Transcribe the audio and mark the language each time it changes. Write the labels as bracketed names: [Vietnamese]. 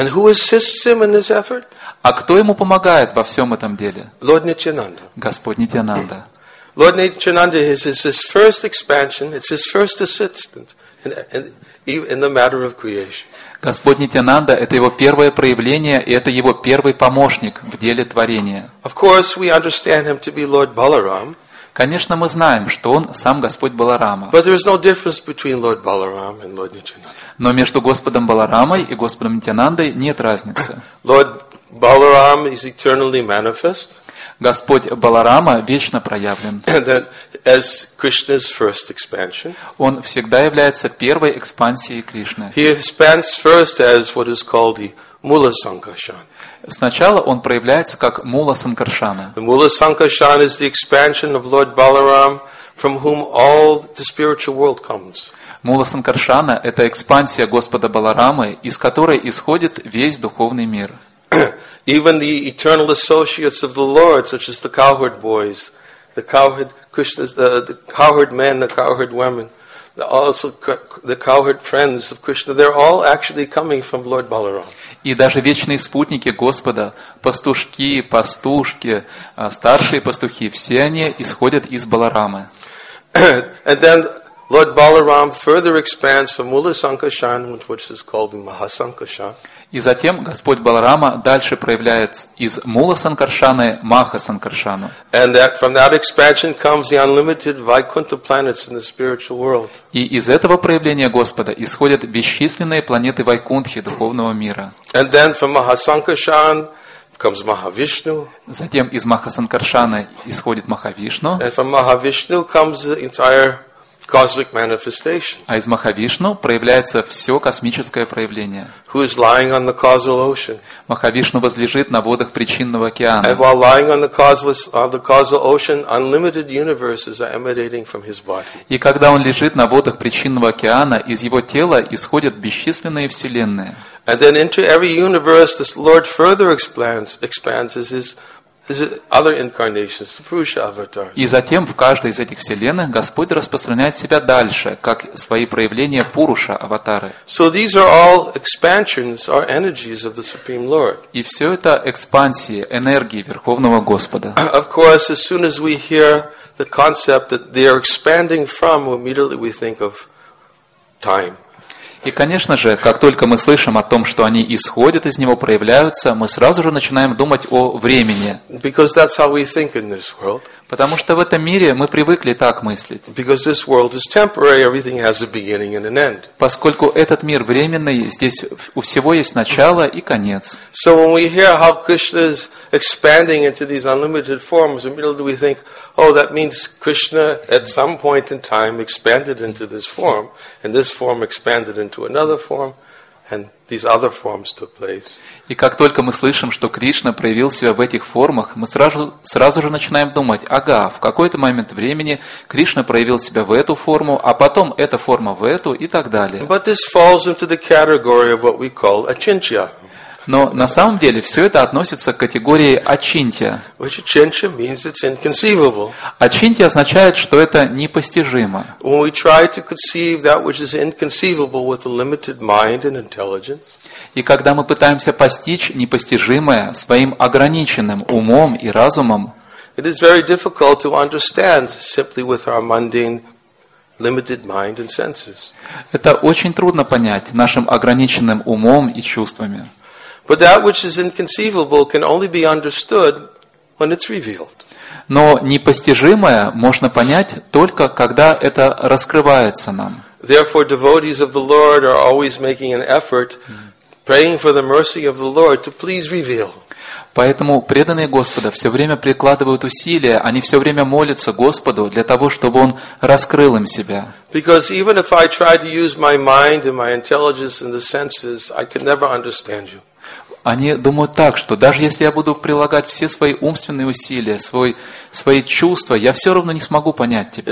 [English] And who assists him in this effort? [Russian] А кто ему помогает во всем этом деле? [English] Lord Nityananda. [Russian] Господь Нитянанда. [English] Lord Nityananda is his first expansion, it's his first assistant in the matter of creation. [Russian] Господь Нитянанда – это его первое проявление, и это его первый помощник в деле творения. [English] Of course, we understand him to be Lord Balaram. [Russian] Конечно, мы знаем, что он сам Господь Баларама. [English] But there is no difference between Lord Balaram and Lord Nityananda. [Russian] Но между Господом Баларамой и Господом Нитянандой нет разницы. [English] Lord Balaram is eternally manifest. [Russian] Господь Баларама вечно проявлен. [English] That as Krishna's first expansion. [Russian] Он всегда является первой экспансией Кришны. [English] He expands first as what is called the Mula Sankarshan. [Russian] Сначала он проявляется как Мула Санкаршана. [English] The Mula Sankarshan is the expansion of Lord Balaram, from whom all the spiritual world comes. [Russian] Мула Санкаршана – это экспансия Господа Баларамы, из которой исходит весь духовный мир. [English] Even the eternal associates of the Lord, such as the cowherd boys, the cowherd Krishna's, the cowherd men, the cowherd women, also the cowherd friends of Krishna, they're all actually coming from Lord Balaram. [Russian] И даже вечные спутники Господа, пастушки, пастушки, старшие пастухи, все они исходят из Баларамы. [English] And then Lord Balaram further expands from Mula Sankarshan, which is called the Mahasankarshan. [Russian] И затем Господь Баларама дальше проявляет из Мула Санкаршаны Маха Санкаршану. [English] And that, from that expansion comes the unlimited Vaikuntha planets in the spiritual world. [Russian] И из этого проявления Господа исходят бесчисленные планеты Вайкунтхи духовного мира. [English] And then from Mahasankarshan comes Mahavishnu. [Russian] Затем из Маха Санкаршаны исходит Махавишну. [English] And from Mahavishnu comes the entire cosmic manifestation. [Russian] А из Махавишну проявляется все космическое проявление. [English] Who is lying on the causal ocean? [Russian] Махавишну возлежит на водах причинного океана. [English] And while lying on the causeless, on the causal ocean, unlimited universes are emanating from his body. [Russian] И когда он лежит на водах причинного океана, из его тела исходят бесчисленные вселенные. [English] And then into every universe, the Lord further expands his. Other incarnations, the Purusha avatars. [Russian] И затем в каждой из этих вселенных Господь распространяет себя дальше, как свои проявления Пуруша аватары. [English] So these are all expansions or energies of the Supreme Lord. [Russian] И все это экспансии энергии Верховного Господа. [English] Of course, as soon as we hear the concept that they are expanding from, immediately we think of time. [Russian] И, конечно же, как только мы слышим о том, что они исходят из него, проявляются, мы сразу же начинаем думать о времени. [English] Because that's how we think in this world. [Russian] Потому что в этом мире мы привыкли так мыслить. [English] Because this world is temporary, everything has a beginning and an end. [Russian] Поскольку этот мир временный, здесь у всего есть начало и конец. [English] So when we hear how Krishna is expanding into these unlimited forms, immediately we think, oh, that means Krishna at some point in time expanded into this form, and this form expanded into another form, and these other forms took place. [Russian] И как только мы слышим, что Кришна проявил себя в этих формах, мы сразу же начинаем думать, ага, в какой-то момент времени Кришна проявил себя в эту форму, а потом эта форма в эту и так далее. [English] But this falls into the category of what we call achintya. [Russian] Но на самом деле все это относится к категории ачинтья. [English] Which achintya means it's inconceivable. [Russian] Ачинтья означает, что это непостижимо. [English] When we try to conceive that which is inconceivable with a limited mind and intelligence. [Russian] И когда мы пытаемся постичь непостижимое своим ограниченным умом и разумом, [English] it is very difficult to understand simply with our mundane limited mind and senses. [Russian] Это очень трудно понять нашим ограниченным умом и чувствами. [English] But that which is inconceivable can only be understood when it's revealed. [Russian] Но непостижимое можно понять только когда это раскрывается нам. [English] Therefore, devotees of the Lord are always making an effort, praying for the mercy of the Lord to please reveal. [Russian] Поэтому преданные Господа все время прикладывают усилия, они все время молятся Господу для того, чтобы Он раскрыл им себя. [English] Because even if I try to use my mind and my intelligence and the senses, I can never understand you. [Russian] Они думают так, что даже если я буду прилагать все свои умственные усилия, свои чувства, я все равно не смогу понять тебя.